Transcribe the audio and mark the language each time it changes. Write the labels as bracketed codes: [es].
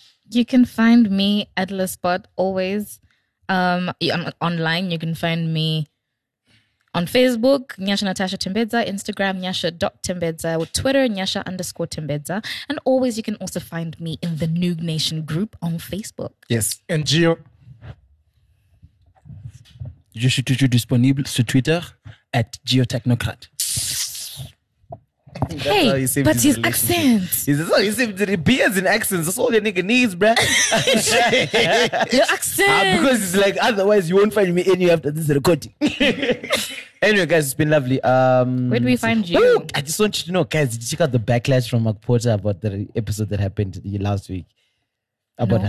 [en] You can find me at LaSpot always. Online, you can find me on Facebook, Nyasha Natasha Tembeza, Instagram, Nyasha.Tembeza, or Twitter, Nyasha_Tembeza. And always, you can also find me in the Noog Nation group on Facebook. Yes, and Gio. [fr] Je suis toujours disponible sur Twitter at Geotechnocrat. [en] Hey, but his accent. That's how he saved the beards and accents. That's all your nigga needs, bruh. Your accent. Because it's like, otherwise you won't find me anywhere after this recording. Anyway, guys, it's been lovely. Where do we find you? Ooh, I just want you to know, guys, did you check out the backlash from Mark Porter about the episode that happened last week? About no.